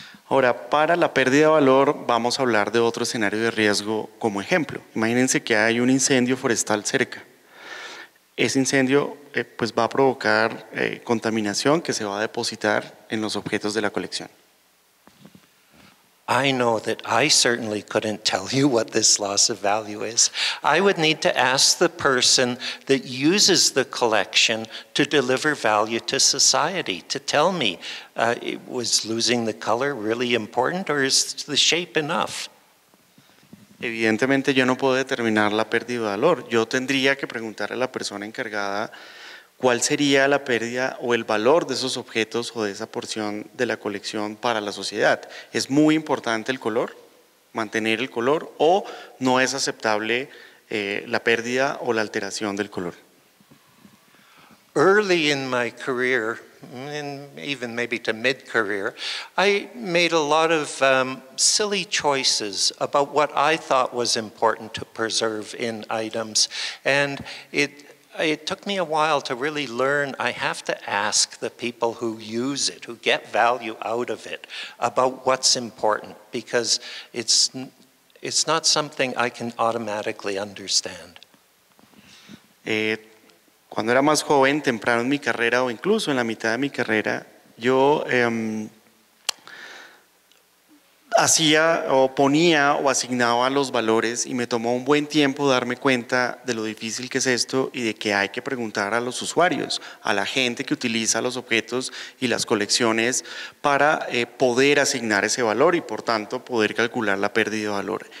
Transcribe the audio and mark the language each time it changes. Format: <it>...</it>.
<es>Ahora, para la pérdida de valor, vamos a hablar de otro escenario de riesgo como ejemplo. Imagínense que hay un incendio forestal cerca. Ese incendio pues va a provocar contaminación que se va a depositar en los objetos de la colección.</es> <en>I know that I certainly couldn't tell you what this loss of value is. I would need to ask the person that uses the collection to deliver value to society to tell me, was losing the color really important or is the shape enough?</en> <es>Evidentemente, yo no puedo determinar la pérdida de valor. Yo tendría que preguntar a la persona encargada cuál sería la pérdida o el valor de esos objetos o de esa porción de la colección para la sociedad. ¿Es muy importante el color, mantener el color, o no es aceptable la pérdida o la alteración del color?</es> <en>Early in my career, and even maybe to mid-career, I made a lot of silly choices about what I thought was important to preserve in items, and it took me a while to really learn I have to ask the people who use it, who get value out of it, about what's important, because it's not something I can automatically understand.</en> <es>Cuando era más joven, temprano en mi carrera, o incluso en la mitad de mi carrera, yo hacía o ponía o asignaba los valores y me tomó un buen tiempo darme cuenta de lo difícil que es esto y de que hay que preguntar a los usuarios, a la gente que utiliza los objetos y las colecciones para poder asignar ese valor y por tanto poder calcular la pérdida de valor.</es>